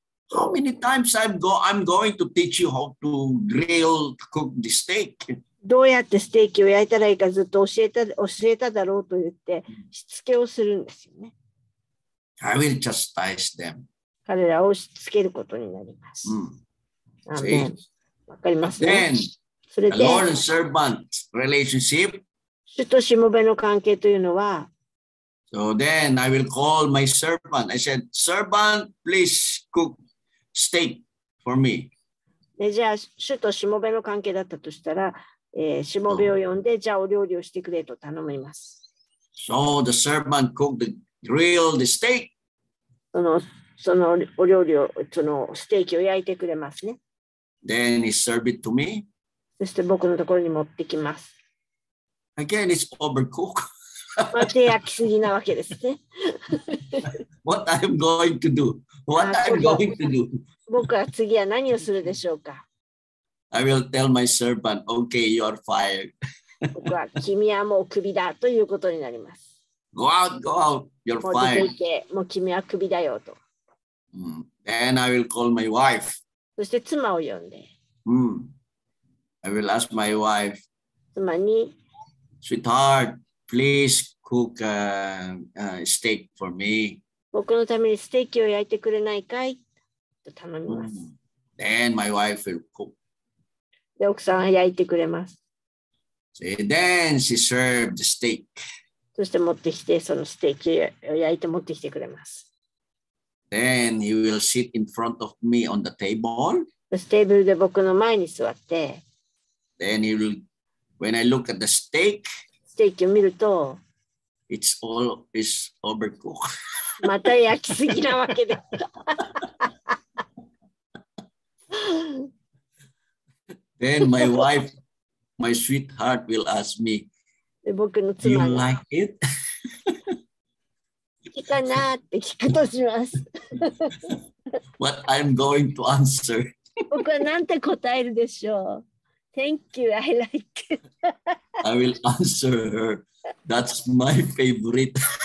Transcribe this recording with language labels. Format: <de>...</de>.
<en>How many times I'm going to teach you how to grill to cook the steak?</en> <ja>どうやってステーキを焼いたらいいかずっと教えただろうと言ってしつけをするんですよね。</ja> <en>I will chastise them.</en> <ja>彼らをしつけることになります。わかりますね。</ja> <en>Then,</en> <ja>それで、</ja> <en>Lord and servant relationship.</en> <ja>主としもべの関係というのは。</ja> <en>So then I will call my servant. I said, servant, please cook steak for me.</en> <ja>じゃあ、主としもべの関係だったとしたら、しもべを呼んで、じゃあお料理をしてくれと頼みます。</ja> <en>So the servant cooked the grill, the steak.</en> <ja>そのお料理を、そのステーキを焼いてくれますね。</ja> <en>Then he served it to me.</en> <ja>そして僕のところに持ってきます。</ja> <en>Again, it's overcooked.</en> <ja>また焼きすぎなわけですね。</ja> <en>What I'm going to do? What I'm going to do?</en> <ja>僕は次は何をするでしょうか。</ja> <en>I will tell my servant, okay, you are fired.</en> <ja>僕は君はもうクビだということになります。</ja> <en>Go out, go out. You're fired.</en> <ja>もう君はクビだよと。</ja> <en>Then I will call my wife.</en> <ja>そして妻を呼んで。</ja> <en>I will ask my wife.</en> <ja>妻に。</ja> <en>Sweetheart. Please cook a steak for me.</en> <ja>僕のためにステーキを焼いてくれないかいと頼みます。</ja> <en>Then my wife will cook.</en> <ja>で、奥さんは焼いてくれます。</ja> <en>See, then she served the steak.</en> <ja>そして持ってきて、そのステーキを焼いて持ってきてくれます。</ja> <en>Then he will sit in front of me on the table.</en> <ja>そしてテーブルで僕の前に座って。</ja> <en>Then he will, when I look at the steak,</en> <ja>ステーキを見ると、</ja> <en>It's all is overcooked.</en> <ja>また焼きすぎなわけで。</ja> <en>Then my wife, my sweetheart will ask me, Do you like it?</en> <ja>好きかなって聞くとします。</ja> <en>What I'm going to answer.</en> <ja>僕はなんて答えるでしょう。</ja> <en>Thank you, I like it. I will answer her. That's my favorite.</en>